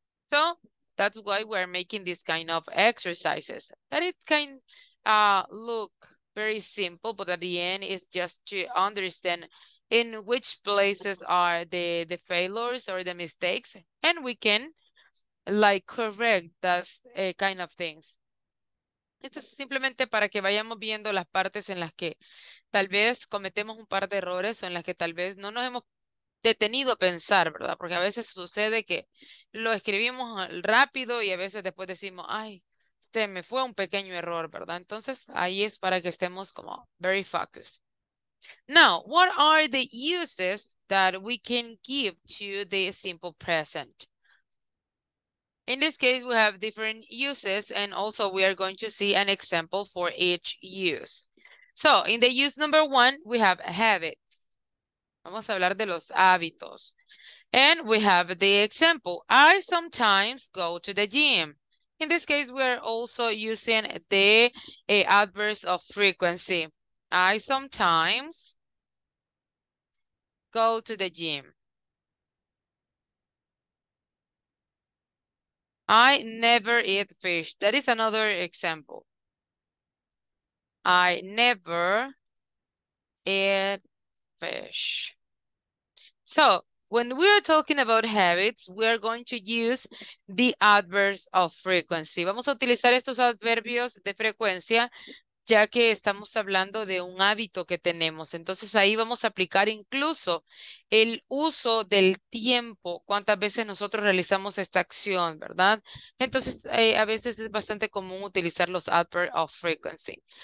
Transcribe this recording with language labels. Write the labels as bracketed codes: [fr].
[en] So that's why we're making this kind of exercises. That it can look very simple, but at the end it's just to understand in which places are the failures or the mistakes, and we can like correct that kind of things. [es] Esto es simplemente para que vayamos viendo las partes en las que tal vez cometemos un par de errores o en las que tal vez no nos hemos detenido a pensar, ¿verdad? Porque a veces sucede que lo escribimos rápido y a veces después decimos, ay, se me fue un pequeño error, ¿verdad? Entonces, ahí es para que estemos como [en] very focused. Now, what are the uses that we can give to the simple present? In this case, we have different uses and also we are going to see an example for each use. So, in the use number one, we have habits. [es] Vamos a hablar de los hábitos. [en] And we have the example, I sometimes go to the gym. In this case, we are also using the adverb of frequency. I sometimes go to the gym. I never eat fish. That is another example. I never eat fish. So, when we are talking about habits, we are going to use the adverbs of frequency. [es] Vamos a utilizar estos adverbios de frecuencia, ya que estamos hablando de un hábito que tenemos. Entonces, ahí vamos a aplicar incluso el uso del tiempo, cuántas veces nosotros realizamos esta acción, ¿verdad? Entonces, a veces es bastante común utilizar los [en] adverbs of frequency.